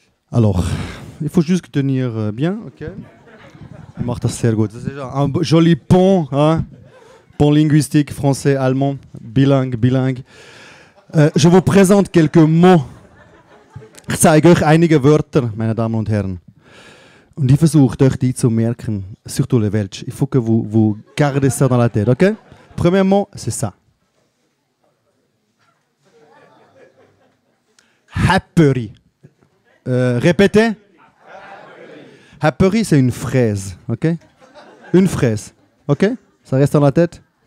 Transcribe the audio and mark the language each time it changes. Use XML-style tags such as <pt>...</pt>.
<fr>Alors, il faut juste tenir bien, ok. Martha Sergo, c'est déjà un joli pont, hein. Pont linguistique, français, allemand, bilingue, bilingue. Je vous présente quelques mots.</fr> <de>Ich zeige euch einige Wörter, meine Damen und Herren. Und ich versuche, euch die zu merken,</de> <fr>surtout le Welsch. Il faut que vous gardez ça dans la tête, ok? Premier mot, c'est ça. Happery. Répétez. Happery, c'est une fraise, ok? Une fraise, ok? Ça reste dans la tête?</fr>